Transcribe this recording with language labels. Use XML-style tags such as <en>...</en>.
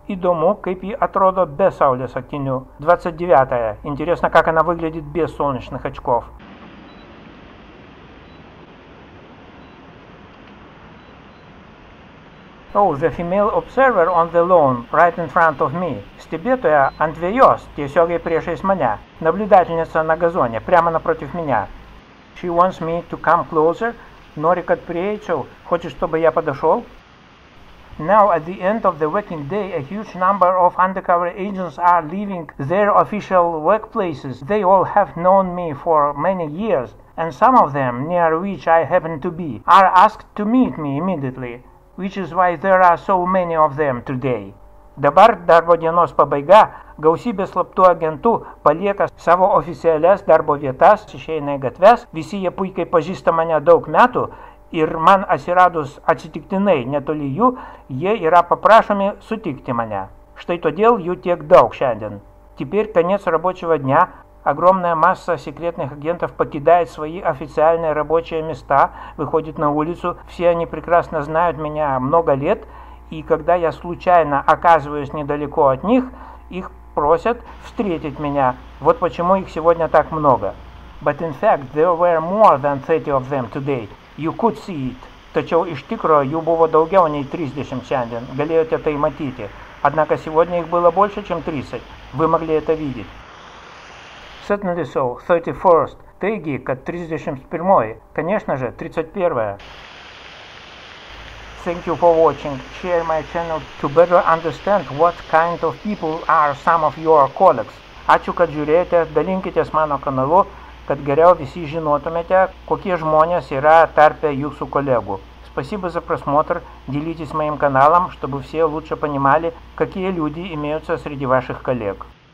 <lt>Įdomu, kaip ji atrodo be saulės akinių. 29.</lt> <ru>Интересно, как она выглядит без солнечных очков. 30.</ru> <en>The female observer on the lawn, right in front of me.</en> <lt>Stebėtoja ant vejos, tiesiogiai priešais mane.</lt> <ru>Наблюдательница на газоне, прямо напротив меня.</ru> <en>She wants me to come closer.</en> <ru>Нори, как приечел, хочешь, чтобы я подошел?</ru> <en>Now, at the end of the working day, a huge number of undercover agents are leaving their official workplaces. They all have known me for many years, and some of them, near which I happen to be, are asked to meet me immediately. Which is why there are so many of them today.</en> <lt>Dabar darbo dienos pabaiga, gausybė slaptų agentų palieka savo oficialias darbo vietas, išeina į gatves, visi jie puikiai pažįsta mane daug metų ir man atsiradus atsitiktinai netoli jų, jie yra paprašomi sutikti mane. Štai todėl jų tiek daug šiandien.</lt> <ru>Теперь конец рабочего дня. Огромная масса секретных агентов покидает свои официальные рабочие места, выходит на улицу. Все они прекрасно знают меня много лет, и когда я случайно оказываюсь недалеко от них, их просят встретить меня. Вот почему их сегодня так много.</ru> <en>But in fact, there were more than 30 of them today. You could see it.</en> <lt>Tačiau iš tikro, jų buvo daugiau nei 30 šiandien. Galėjote tai matyti.</lt> <ru>Однако сегодня их было больше, чем 30. Вы могли это видеть.</ru> <en>Certainly so. 31st.</en> <lt>Taigi, kad 31.</lt> <ru>Конечно же, 31.</ru> <en>Thank you for watching. Share my channel to better understand what kind of people are some of your colleagues.</en> <lt>Ačiū, kad žiūrėjote, dalinkitės mano kanalu, kad geriau visi žinotumėte, kokie žmonės yra tarpę jūsų kolegų.</lt> <ru>Спасибо за просмотр. Делитесь моим каналом, чтобы все лучше понимали, какие люди имеются среди ваших коллег.</ru>